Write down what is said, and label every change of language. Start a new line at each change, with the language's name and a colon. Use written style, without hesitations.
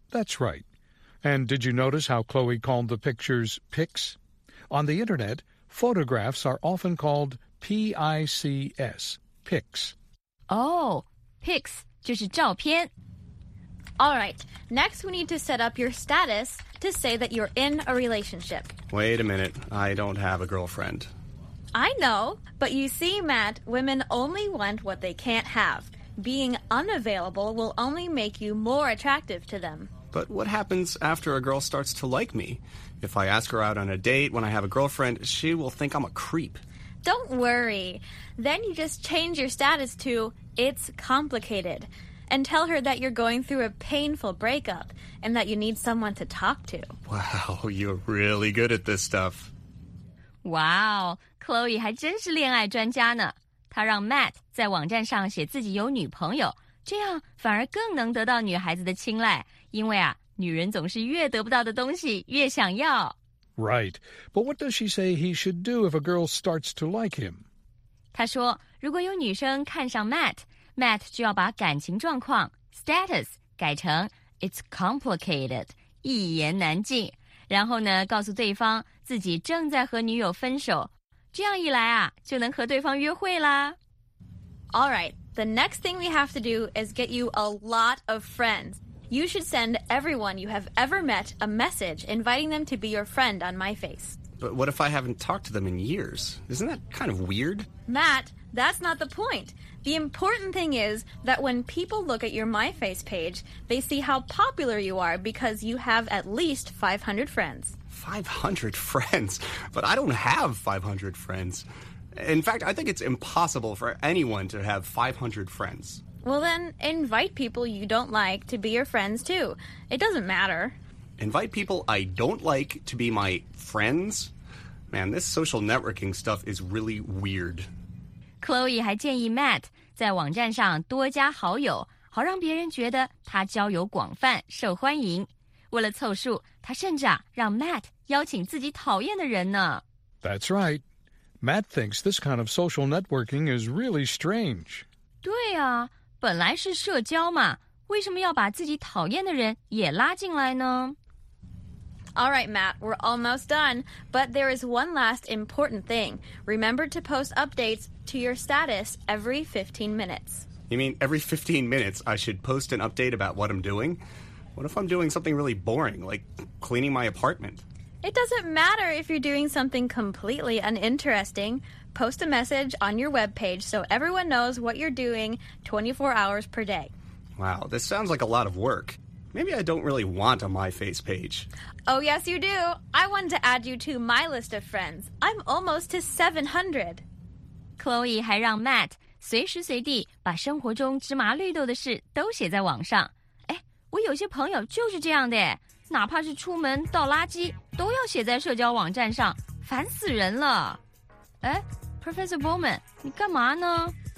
English: That's right. And did you notice how Chloe called the pictures pics? On the internet, photographs are often called P-I-C-S, pics. Oh, pics
Chinese: 就是照片。
English: All right, next we need to set up your status to say that you're in a relationship. Wait a minute, I don't have a girlfriend. I know, but you see, Matt, women only want what they can't have. Being unavailable will only make you more attractive to them. But what happens after a girl starts to like me? If I ask her out on a date when I have a girlfriend, she will think I'm a creep. Don't worry. Then you just change your status to, it's complicated. And tell her that you're going through a painful breakup and that you need someone to talk to. Wow, you're really good at this stuff.
Chinese: Wow, Chloe 还真是恋爱专家呢。她让 Matt 在网站上写自己有女朋友，这样反而更能得到女孩子的青睐，因为啊，女人总是越得不到的东西越想要。
English: Right, but what does she say he should do if a girl starts to like him?
Chinese: 她说，如果有女生看上 Matt,Matt 就要把感情状况 status 改成
English: it's complicated
Chinese: 一言难尽，然后呢告诉对方自己正在和女友分手，这样一来啊就能和对方约会啦。
English: All right, the next thing we have to do is get you a lot of friends. You should send everyone you have ever met a message inviting them to be your friend on my face. But what if I haven't talked to them in years? Isn't that kind of weird? Matt, that's not the point. The important thing is that when people look at your MyFace page, they see how popular you are because you have at least 500 friends. 500 friends? But I don't have 500 friends. In fact, I think it's impossible for anyone to have 500 friends. Well then, invite people you don't like to be your friends too. It doesn't matter. Invite people I don't like to be my friends? Man, this social networking stuff is really weird.
Chinese: Chloe 还建议 Matt 在网站上多加好友，好让别人觉得他交友广泛受欢迎。为了凑数，他甚至啊让 Matt 邀请自己讨厌的人呢。
English: That's right. Matt thinks this kind of social networking is really strange.
Chinese: 对啊，本来是社交嘛，为什么要把自己讨厌的人也拉进来呢？
English: All right, Matt, we're almost done, but there is one last important thing. Remember to post updates to your status every 15 minutes. You mean every 15 minutes I should post an update about what I'm doing? What if I'm doing something really boring, like cleaning my apartment? It doesn't matter if you're doing something completely uninteresting. Post a message on your webpage so everyone knows what you're doing 24 hours per day. Wow, this sounds like a lot of work. Maybe I don't really want a MyFace page. Oh, yes, you do. I wanted to add you to my list of friends. I'm almost to 700.
Chinese: Chloe 还让 Matt 随时随地把生活中芝麻绿豆的事都写在网上。哎，我有些朋友就是这样的，哪怕是出门倒垃圾都要写在社交网站上，烦死人了。哎 ,Professor Bowman, 你干嘛呢？